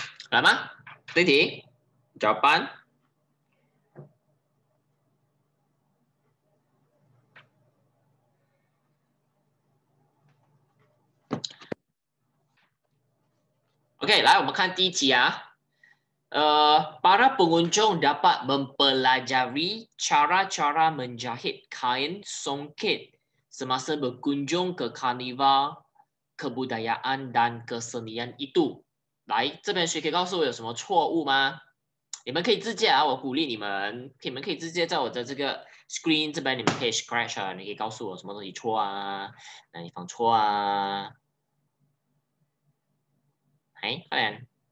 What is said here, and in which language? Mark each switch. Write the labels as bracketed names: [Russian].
[Chinese] 来吗？这题，搅拌。 OK， 来我们看第一题啊。 [Malay] Para pengunjung dapat mempelajari cara-cara menjahit kain songket semasa berkunjung ke karnival kebudayaan dan kesenian itu. [Chinese] 来，这边谁可以告诉我有什么错误吗？你们可以直接啊，我鼓励你们，你们可以直接在我的这个 screen 这边，你们可以 scratch 啊，你可以告诉我什么东西错啊，哪里放错啊？哎，快点！